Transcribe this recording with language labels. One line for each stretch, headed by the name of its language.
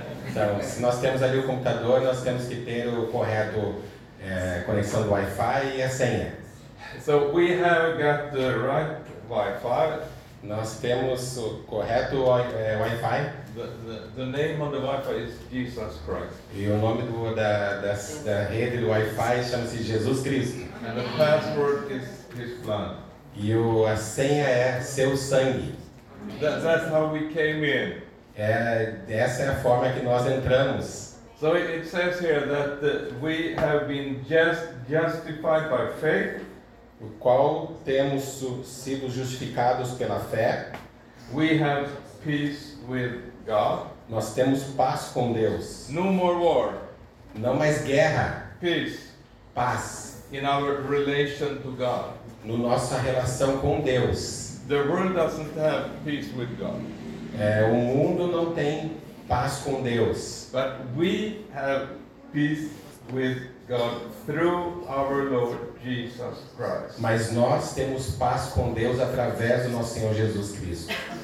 Portuguese: Então, se nós temos ali o computador, nós temos que ter o correto conexão do Wi-Fi e a senha.
English: So we have got the right Wi-Fi.
Portuguese: Nós temos o correto Wi-Fi.
English: The name of the Wi-Fi is Jesus Christ.
Portuguese: E o nome da rede do Wi-Fi chama-se Jesus Cristo.
English: And the password is His blood.
Portuguese: E a senha é seu sangue.
English: That's how we came in.
Portuguese: É, essa é a forma que nós entramos.
English: So it says here that we have been justified by faith.
Portuguese: O qual temos sido justificados pela fé.
English: We have peace with God.
Portuguese: Nós temos paz com Deus.
English: No more war.
Portuguese: Não mais guerra.
English: Peace.
Portuguese: Paz.
English: In our relation to God.
Portuguese: No nossa relação com Deus.
English: The world doesn't have peace with God.
Portuguese: É, o mundo não tem paz com Deus.
English: But we have peace with God through our Lord Jesus Christ.
Portuguese: Mas nós temos paz com Deus através do nosso Senhor Jesus Cristo.